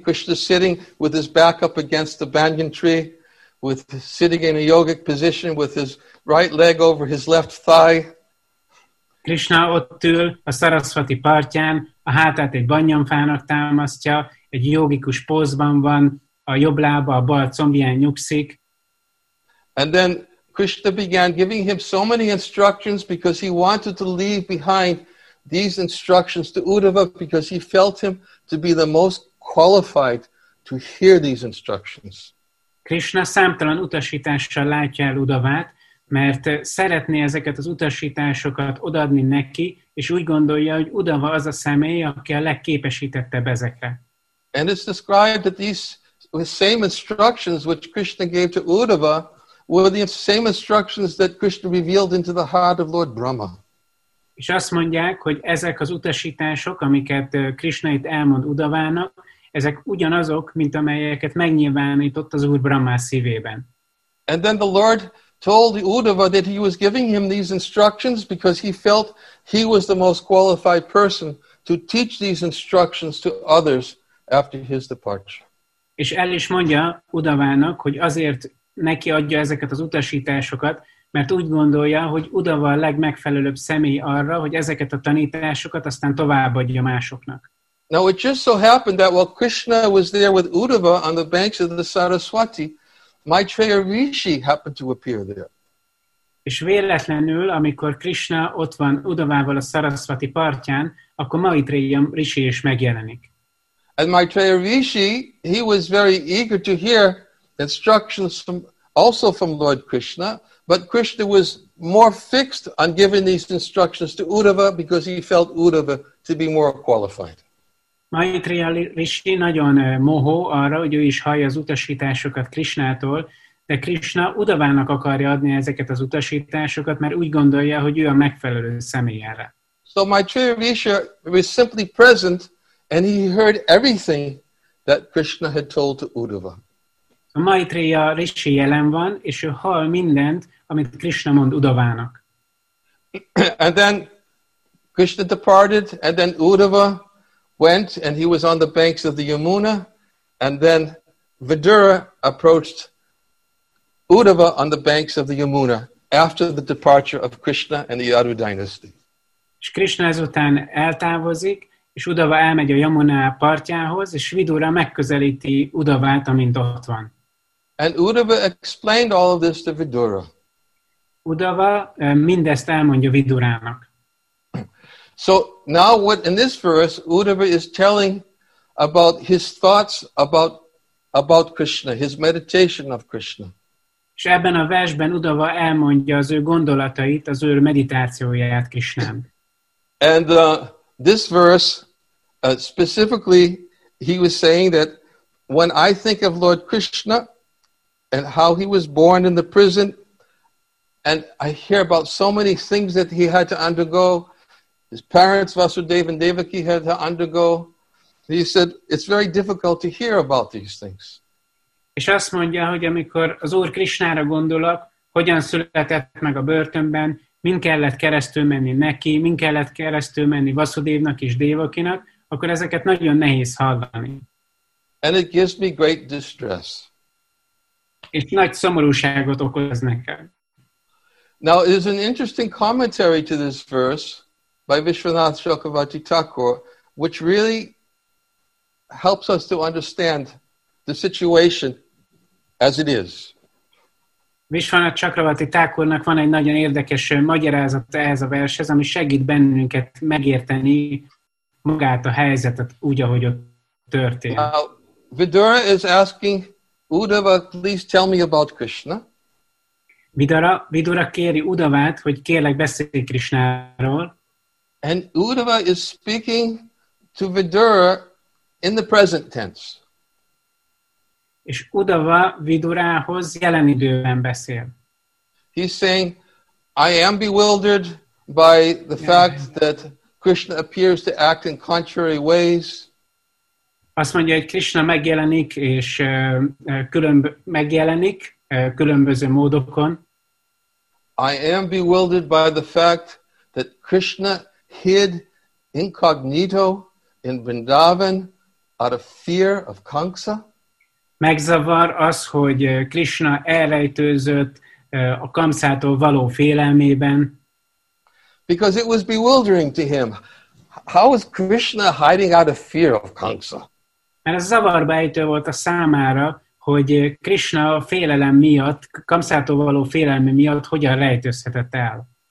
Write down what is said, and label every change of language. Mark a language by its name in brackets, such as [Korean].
[English] Krishna sitting with his back up against the banyan tree, with sitting in a yogic position with his right leg over his left thigh. [Hungarian] Krishna ott ül a Saraswati partján, a hátát egy banyanfának támasztja, egy jogikus pózban van, a jobb lába a bal combján nyugszik. [English] And then Krishna began giving him so many instructions because he wanted to leave behind these instructions to Uddhava because he felt him to be the most qualified to hear these instructions. [Hungarian] Krishna számtalan utasítással látja el Uddhavát, mert szeretné ezeket az utasításokat odaadni neki, és úgy gondolja, hogy Uddhava az a személy, aki a legképesítettebb ezekre. [English] And it's described that these same instructions which Krishna gave to Uddhava were the same instructions that Krishna revealed into the heart of Lord Brahma. [Hungarian] És azt mondják, hogy ezek az utasítások, amiket Krishna itt elmond Uddhavának, ezek ugyanazok, mint amelyeket megnyilvánított az Úr Brahma szívében. [English] And then the Lord told Uddhava that he was giving him these instructions because he felt he was the most qualified person to teach these instructions to others after his departure. [Hungarian] És el is mondja Uddhavának, hogy azért neki adja ezeket az utasításokat, mert úgy gondolja, hogy Uddhava a legmegfelelőbb személy arra, hogy ezeket a tanításokat aztán továbbadja másoknak. [English] Now it just so happened that while Krishna was there with Uddhava on the banks of the Saraswati, Maitreya Rishi happened to appear there. [Hungarian] És véletlenül, amikor Krishna ott van Uddhavával a Saraswati partján, akkor Maitreya Rishi is megjelenik. [English] And Maitreya Rishi, he was very eager to hear instructions from Lord Krishna, But Krishna was more fixed on giving these instructions to Uddhava because he felt Uddhava to be more qualified. [Hungarian] Maitreya Rishi nagyon mohó arra, hogy ő is hallja az utasításokat Krishnától, de Krishna Uddhavának akarja adni ezeket az utasításokat, mert úgy gondolja, hogy ő a megfelelő személy erre. [English] So Maitreya Rishi was simply present and he heard everything that Krishna had told to Uddhava. [Hungarian] A Maitreya Rishi jelen van, és ő hall mindent, amit Krishna mond Uddhavának. [English] And then Krishna departed, and then Uddhava went, and he was on the banks of the Yamuna, and then Vidura approached Uddhava on the banks of the Yamuna after the departure of Krishna and the Yadu dynasty. [Hungarian] És Krishna ezután eltávozik, és Uddhava elmegy a Yamuna partjához, és Vidura megközelíti Uddhavát, amint ott van. [English] And Uddhava explained all of this to Vidura. [Hungarian] Uddhava mindezt elmondja Vidurának. [English] So now what in this verse Uddhava is telling about his thoughts about Krishna, his meditation of Krishna. [Hungarian] És ebben a versben Uddhava elmondja az ő gondolatait, az ő meditációját Krishnán. [English] And this verse specifically he was saying that when I think of Lord Krishna and how he was born in the prison, and I hear about so many things that he had to undergo, his parents, Vasudeva and Devaki, had to undergo. He said, it's very difficult to hear about these things. [Hungarian] És azt mondja, hogy amikor az Úr Krishnára gondolok, hogyan született meg a börtönben, min kellett keresztül menni neki, min kellett keresztül menni Vasudevnak és Devakinak, akkor ezeket nagyon nehéz hallani. [English] And it gives me great distress. [Hungarian] És nagy szomorúságot okoz nekem. [English] Now, there's an interesting commentary to this verse by Vishwanath Chakravarti Thakur, which really helps us to understand the situation as it is. [Hungarian] Vishwanath Chakravarti Thakurnak van egy nagyon érdekes magyarázat ehhez a vershez, ami segít bennünket megérteni magát a helyzetet úgy, ahogy ott történt. [English] Now, Vidura is asking Uddhava, please tell me about Krishna. [Hungarian] Vidura kéri Uddhavát, hogy kérlek beszélj Krishnáról. [English] And Uddhava is speaking to Vidura in the present tense. [Hungarian] És Uddhava Vidurához jelen időben beszél. [English] He's saying, I am bewildered by the fact that Krishna appears to act in contrary ways. [Hungarian] Azt mondja, hogy Krishna megjelenik, és megjelenik különböző módokon. [English] I am bewildered by the fact that Krishna hid incognito in Vrindavan out of fear of Kamsa. [Hungarian] Megzavar az, hogy Krishna elrejtőzött a Kamsától való félelmében. [English] Because it was bewildering to him. How is Krishna hiding out of fear of Kamsa? [Hungarian] Mert ez zavarba ejtő volt a számára, hogy Krishna félelem miatt, Kamsától való félelme miatt hogyan rejtőzhetett el.